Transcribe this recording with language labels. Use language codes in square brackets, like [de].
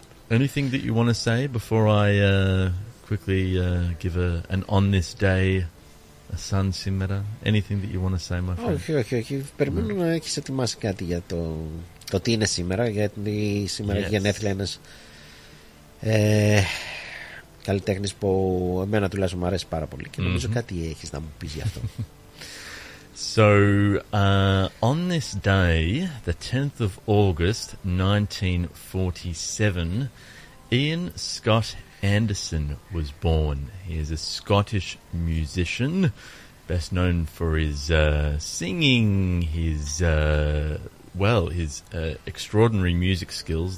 [en] Anything that you want to say before I give an on this day... [el] Σαν σήμερα, [en] anything that you want to say, my friend? [el] Όχι. Περιμένω να έχεις ετοιμάσει κάτι για το τι είναι σήμερα, γιατί σήμερα έχει γενέθλια ένας καλλιτέχνης που εμένα τουλάχιστον μου αρέσει πάρα πολύ και νομίζω κάτι έχεις να μου πεις γι' αυτό. [en] So, on this day, the 10th of August, 1947, Ian Scott Anderson was born. He is a Scottish musician, best known for his singing, his, well, his extraordinary music skills.